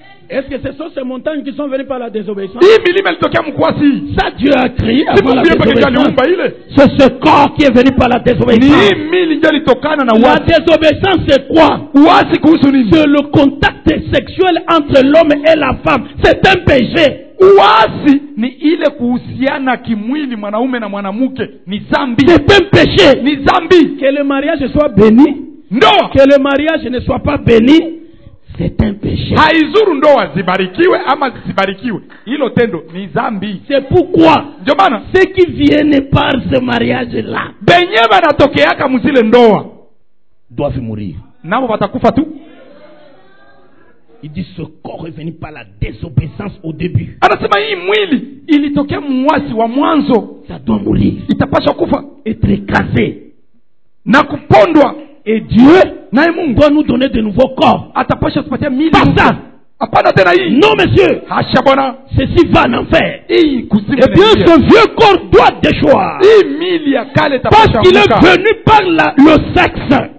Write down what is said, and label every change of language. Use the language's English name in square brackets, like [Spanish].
[French] Est-ce que ce sont ces montagnes qui sont venues par la désobéissance? Ça, Dieu a crié avant la désobéissance. C'est ce corps qui est venu par la désobéissance. La désobéissance, c'est quoi? C'est le contact sexuel entre l'homme et la femme. C'est un péché. [Swahili] Uasi ni ile kuhusiana kimwili mwanaume na mwanamke. Ni zambi. [French] C'est un péché. [Swahili] Ni zambi. [French] Que le mariage soit béni. Non. Que le mariage ne soit pas béni. C'est un péché. [Swahili] Haizuru ndoa zibarikiwe ama zibarikiwe. Hilo tendo ni zambi. [French] C'est pourquoi. Jomana. Ce qui vient par ce mariage là. [Swahili] Benyeba natokeaka mzile ndoa. [French] Doivent mourir. [Swahili] Namo watakufa tu. [French] Il dit ce corps est venu par la désobéissance au début. [Swahili] Anasema hii mwili. Ilitokea mwasi wa mwanzo. [French] Ça doit mourir. [Swahili] Itapasha kufa. [French] Être écrasé. [Swahili] Na kupondwa. [French] Et Dieu doit nous donner de nouveaux corps. Pas ça. Non, monsieur. Ceci va en enfer. Et bien, ce vieux corps doit déchoir. Parce qu'il est venu par le sexe.